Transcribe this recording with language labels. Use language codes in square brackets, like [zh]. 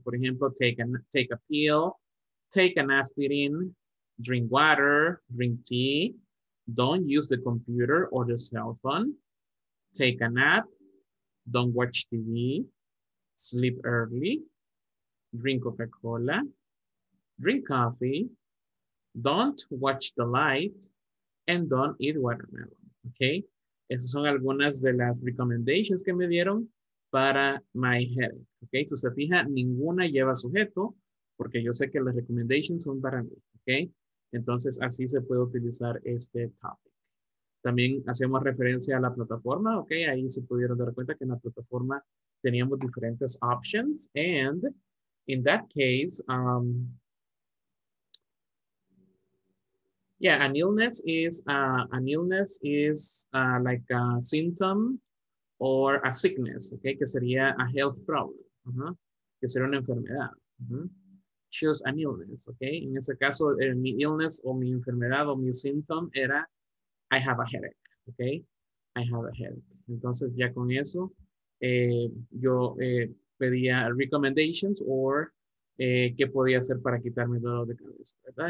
[es] Por ejemplo, [en] take a pill, take an aspirin, drink water, drink tea, don't use the computer or the cell phone, take a nap, don't watch TV, sleep early, drink Coca-Cola, drink coffee, don't watch the light, and don't eat watermelon, okay? [es] Esas son algunas de las recommendations que me dieron para my headache, okay? So, se fija, ninguna lleva sujeto, porque yo sé que las recommendations son para mí, ¿ok? Entonces, así se puede utilizar este topic. También hacemos referencia a la plataforma, ¿ok? Ahí se pudieron dar cuenta que en la plataforma teníamos diferentes options. [en] And in that case, yeah, an illness is like a symptom or a sickness, okay? [es] Que sería [en] a health problem, [es] que sería una enfermedad. [en] Choose an illness, okay? [es] En ese caso, mi illness o mi enfermedad o mi symptom era [en] I have a headache, okay? I have a headache. [es] Entonces, ya con eso, yo pedía recommendations or qué podía hacer para quitarme dolor de cabeza, ¿verdad?